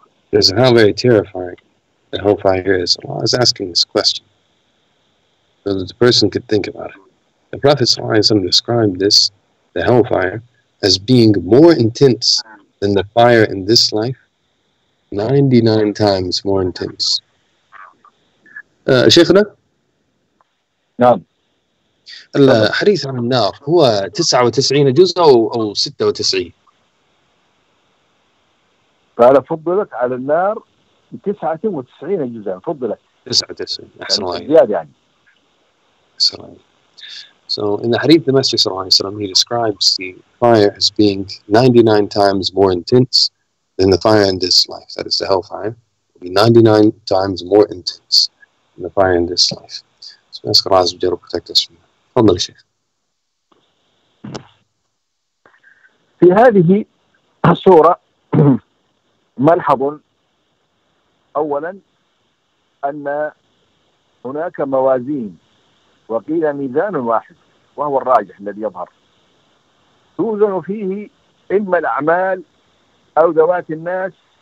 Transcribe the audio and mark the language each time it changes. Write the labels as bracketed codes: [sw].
[en] There's how very terrifying the hellfire is. Allah is asking this question so that the person could think about it. The Prophet ﷺ described this, the hellfire, as being more intense than the fire in this life, 99 times more intense. Shaykhna? No. [ar] الحديث عن النار هو 99 جزء أو 96؟ قال فضلت على النار 99 جزء فضلت 99 أحسن الله زياد يعني أحسن الله. [en] So in the hadith, the Messenger [ar] صلى الله عليه وسلم, [en] he describes the fire as being 99 times more intense than the fire in this life. That is the hellfire. It will be 99 times more intense than the fire in this life. So ask Allah to protect us from that. [ar] في هذه الصورة ملحظ أولا أن هناك موازين وقيل ميزان واحد وهو الراجح الذي يظهر توزن فيه إما الأعمال أو ذوات الناس